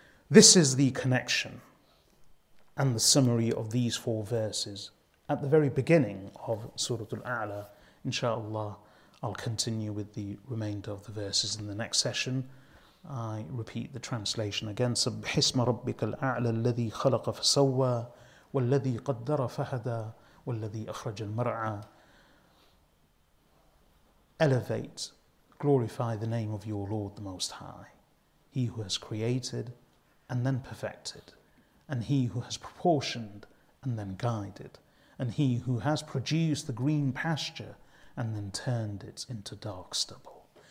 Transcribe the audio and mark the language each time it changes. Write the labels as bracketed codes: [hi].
[en] This is the connection and the summary of these four verses. At the very beginning of Surah Al-A'la, inshallah, I'll continue with the remainder of the verses in the next session. I repeat the translation again. [ar] سبح اسم ربك الأعلى الذي خلق فسوى والذي قدر فهدى والذي أخرج المرعى. [en] Elevate, glorify the name of your Lord, the Most High, He who has created and then perfected, and He who has proportioned and then guided, and He who has produced the green pasture and then turned it into dark stubble.